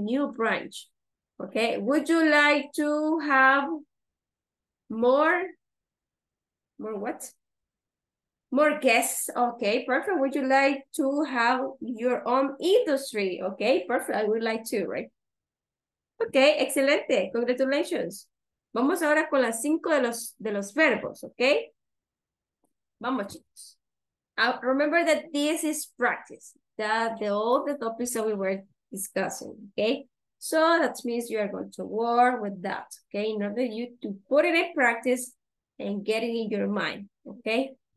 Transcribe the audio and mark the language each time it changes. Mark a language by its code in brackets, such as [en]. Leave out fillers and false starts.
[en] New branch, okay? Would you like to have more what? More guests, okay, perfect. Would you like to have your own industry, okay? Perfect, I would like to, right? Okay, [es] excelente, [en] congratulations. [es] Vamos ahora con las cinco de los verbos, okay? Vamos, chicos. [en] Remember that this is practice, all the topics that we were discussing, okay? So that means you are going to work with that, okay? In order you to put it in practice and get it in your mind, okay?